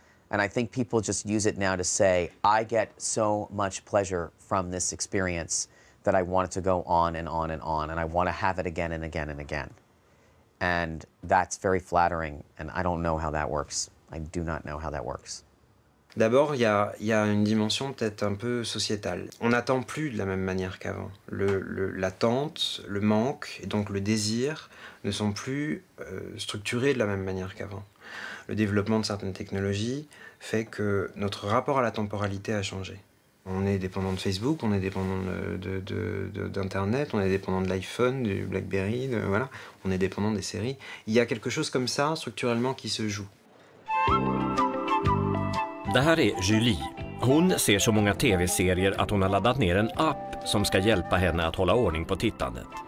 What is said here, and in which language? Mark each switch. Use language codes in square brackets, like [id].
[en] And I think people just use it now to say, I get so much pleasure from this experience that I want it to go on and on and on and I want to have it again and again and again. And that's very flattering and I don't know how that works. I do not know how that works. [fr] D'abord, il y a une dimension peut-être un peu sociétale. On n'attend plus de la même manière qu'avant. L'attente, le manque, et donc le désir, ne sont plus structurés de la même manière qu'avant. Le développement de certaines technologies fait que notre rapport à la temporalité a changé. On est dépendant de Facebook, on est dépendant d'Internet, on est dépendant de l'iPhone, du BlackBerry, voilà. On est dépendant des séries. Il y a quelque chose comme ça, structurellement, qui se joue. [sv] Det här är Julie. Hon ser så många tv-serier att hon har laddat ner en app som ska hjälpa henne att hålla ordning på tittandet.